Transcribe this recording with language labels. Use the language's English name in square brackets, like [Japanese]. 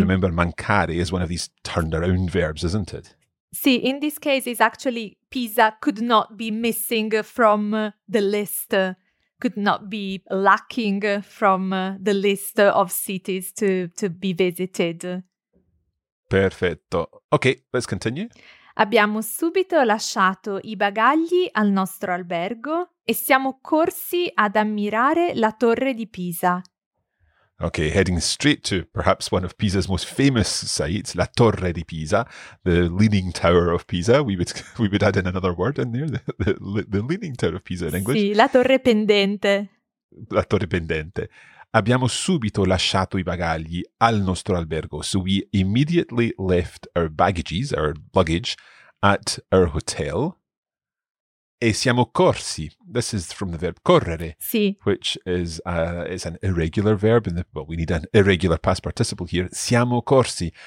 [English] Remember, mancare is one of these turned around verbs, isn't it? Sì, in this case it's actually Pisa could not be missing from the list, could not be lacking from the list of cities to be visited. Perfetto. Ok, let's continue. [Italian] Abbiamo subito lasciato I bagagli al nostro albergo e siamo corsi ad ammirare la torre di Pisa. [English] Ok, heading straight to perhaps one of Pisa's most famous sites, la Torre di Pisa, the Leaning Tower of Pisa. We would add in another word in there, the Leaning Tower of Pisa in English. [Italian] Sì, la Torre Pendente. La Torre Pendente. Abbiamo subito lasciato I bagagli al nostro albergo. [English] So we immediately left our baggages, our luggage, at our hotel. [Italian] E siamo corsi. [English] This is from the verb correre, [Italian] sì. [English] Which is an irregular verb. Well, we need an irregular past participle here. [Italian] Siamo corsi.